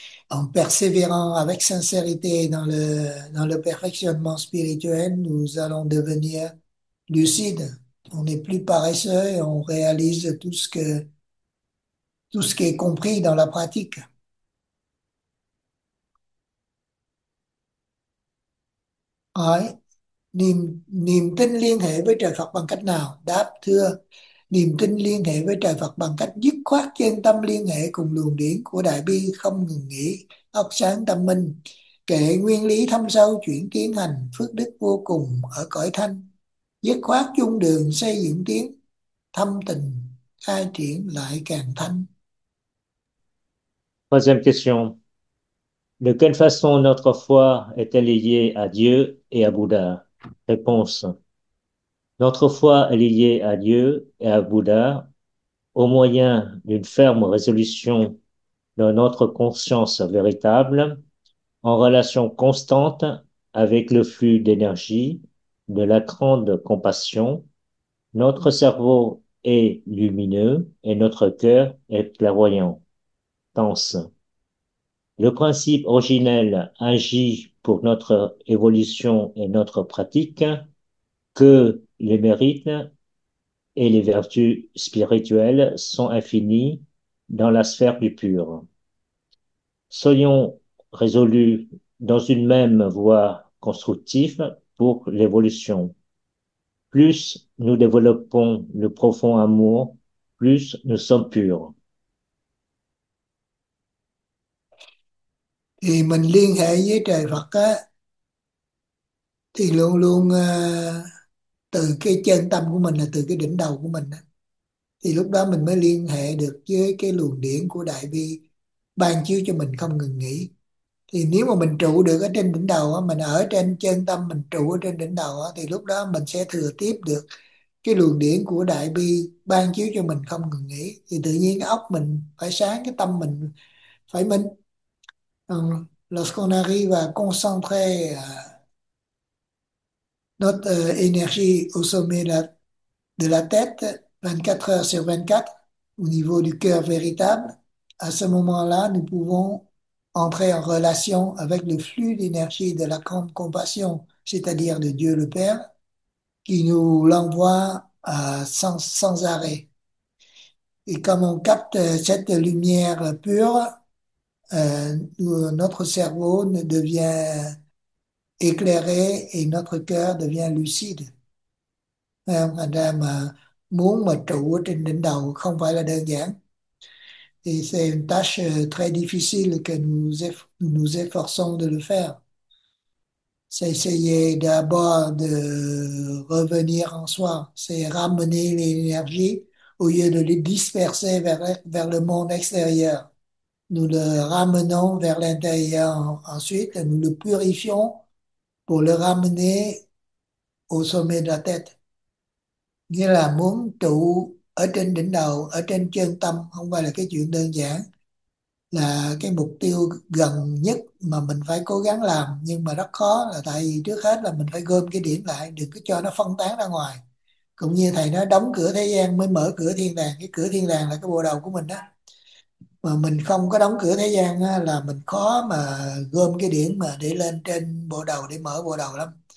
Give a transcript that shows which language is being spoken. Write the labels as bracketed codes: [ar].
[fr] En persévérant avec sincérité dans le perfectionnement spirituel, nous allons devenir lucides. On n'est plus paresseux et on réalise tout ce qui est compris dans la pratique. [vi] Hỏi, niềm tin liên hệ với trời Phật bằng cách nào? Đáp, thưa, niềm tin liên hệ với trời Phật bằng cách dứt khoát chân tâm liên hệ cùng luồng điển của Đại Bi không ngừng nghỉ, óc sáng tâm minh, kệ nguyên lý thâm sâu chuyển kiến hành, phước đức vô cùng ở cõi thanh, dứt khoát chung đường xây dựng tiến, thâm tình khai triển lại càng thanh. [fr] Troisième question. De quelle façon notre foi est-elle liée à Dieu et à Bouddha? Réponse. Notre foi est liée à Dieu et à Bouddha au moyen d'une ferme résolution de notre conscience véritable en relation constante avec le flux d'énergie de la grande compassion. Notre cerveau est lumineux et notre cœur est clairvoyant. Le principe originel agit pour notre évolution et notre pratique que les mérites et les vertus spirituelles sont infinis dans la sphère du pur. Soyons résolus dans une même voie constructive pour l'évolution. Plus nous développons le profond amour, plus nous sommes purs. [vi] Thì mình liên hệ với trời Phật á thì luôn luôn từ cái chân tâm của mình, là từ cái đỉnh đầu của mình á, thì lúc đó mình mới liên hệ được với cái luồng điển của Đại Bi ban chiếu cho mình không ngừng nghỉ. Thì nếu mà mình trụ được ở trên đỉnh đầu á, mình ở trên chân tâm mình trụ ở trên đỉnh đầu á, thì lúc đó mình sẽ thừa tiếp được cái luồng điển của Đại Bi ban chiếu cho mình không ngừng nghỉ. Thì tự nhiên cái óc mình phải sáng, cái tâm mình phải minh. [fr] Lorsqu'on arrive à concentrer notre énergie au sommet de la tête 24 heures sur 24 au niveau du cœur véritable, à ce moment-là, nous pouvons entrer en relation avec le flux d'énergie de la grande compassion, c'est-à-dire de Dieu le Père, qui nous l'envoie sans arrêt. Et comme on capte cette lumière pure, notre cerveau devient éclairé et notre cœur devient lucide. [vi] Thành ra mà muốn mà trụ trên đỉnh đầu không phải là đơn giản. [fr] Et c'est une tâche très difficile que nous efforçons de le faire. C'est essayer d'abord de revenir en soi, c'est ramener l'énergie au lieu de les disperser vers le monde extérieur. Nous le ramenons vers l'intérieur, ensuite nous le purifions pour le ramener au sommet de la tête. [vi] Nghĩa là muốn trụ ở trên đỉnh đầu, ở trên chân tâm không phải là cái chuyện đơn giản, là cái mục tiêu gần nhất mà mình phải cố gắng làm, nhưng mà rất khó, là tại vì trước hết là mình phải gom cái điểm lại, đừng có cho nó phân tán ra ngoài. Cũng như thầy nói, đóng cửa thế gian mới mở cửa thiên đàng. Cái cửa thiên đàng là cái bộ đầu của mình đó, mà mình không có đóng cửa thế gian á, là mình khó mà gom cái điển mà để lên trên bộ đầu, để mở bộ đầu lắm.